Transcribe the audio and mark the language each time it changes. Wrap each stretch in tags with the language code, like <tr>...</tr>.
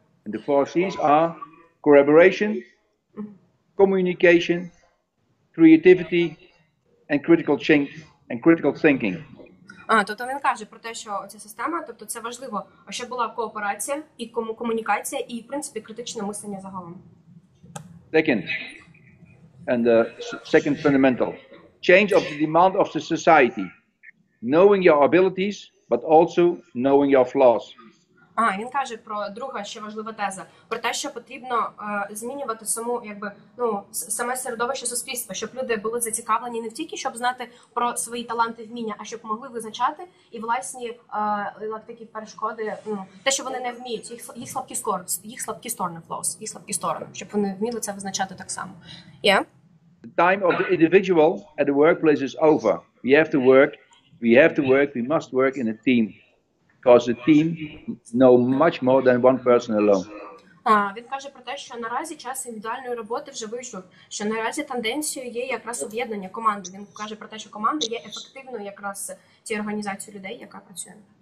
<en>And the four C's are collaboration, communication, creativity, and critical thinking.</en> <uk>Тобто він каже про те, що ця система, тобто це важливо, щоб була кооперація і комунікація, і в принципі критичне мислення загалом.</uk> <en>Second fundamental, change of the demand of the society, knowing your abilities, but also knowing your flaws.</en> <uk>Він каже про друга ще важлива теза, про те, що потрібно змінювати саме середовище суспільства, щоб люди були зацікавлені не тільки, щоб знати про свої таланти, вміння, а щоб могли визначати і власні такі перешкоди, те, що вони не вміють, їх слабкі сторони, щоб вони вміли це визначати так само.</uk> <en>The time of the individual at the workplace is over. We must work in a team. Because the team know much more than one person alone.</en> <uk>Він каже про те, що наразі час індивідуальної роботи вже вийшов, що наразі тенденцією є якраз об'єднання команди. Він каже про те, що команда є ефективною якраз цією організацією людей, яка працює.</uk>